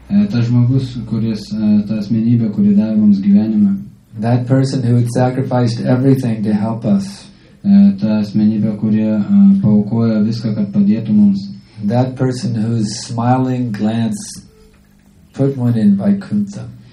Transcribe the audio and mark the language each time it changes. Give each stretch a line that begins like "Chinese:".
Lithuanian: Tas žmogus, kuris, ta asmenybė, kuri davė mums gyvenimą.
English: That person who had sacrificed everything to help us.
Lithuanian: Ta asmenybė, kuri paukojo viską, kad padėtų mums.
English: That person whose smiling glance put one in Vaikuntha.